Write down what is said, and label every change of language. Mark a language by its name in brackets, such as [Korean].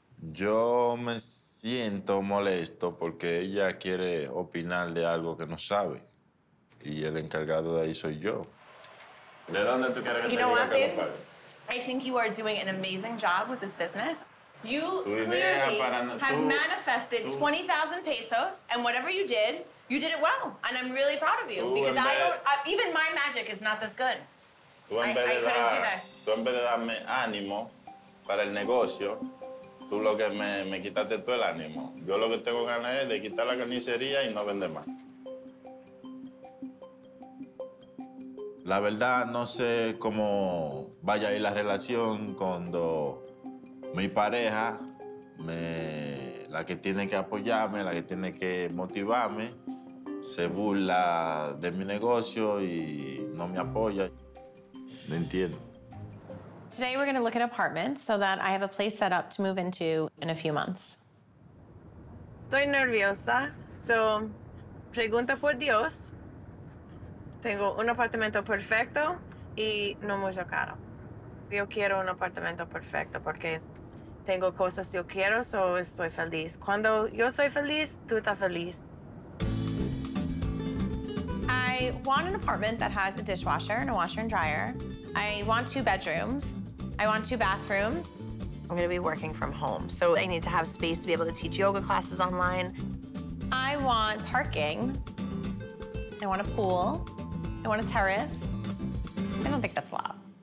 [Spanish] Yo me siento molesto porque ella quiere opinar de algo que no sabe. Y el encargado de ahí soy yo. [English] You know what, babe? I think you are doing an amazing job with this business. You clearly have manifested 20,000 pesos, and whatever you did it well. And I'm really proud of you, because I don't... even my magic is not this good. I couldn't do that. [Spanish] Tú en vez de darme ánimo para el negocio, tú lo que me quitaste todo el ánimo. Yo lo que tengo ganas es de quitar la carnicería y no vender más. La verdad, no sé cómo vaya a ir la relación cuando mi pareja, la que tiene que apoyarme, la que tiene que motivarme, se burla de mi negocio y no me apoya. No entiendo. [English] Today we're going to look at apartments so that I have a place set up to move into in a few months. [Spanish] Estoy nerviosa. So, pregunta por Dios. Tengo un apartamento perfecto y no muy caro. Yo quiero un apartamento perfecto porque tengo cosas que yo quiero, so estoy feliz. Cuando yo soy feliz, tú estás feliz. [English] I want an apartment that has a dishwasher and a washer and dryer. I want 2 bedrooms. I want 2 bathrooms. I'm gonna be working from home, so I need to have space to be able to teach yoga classes online. I want parking. I want a pool. I want a terrace. I don't think that's a lot.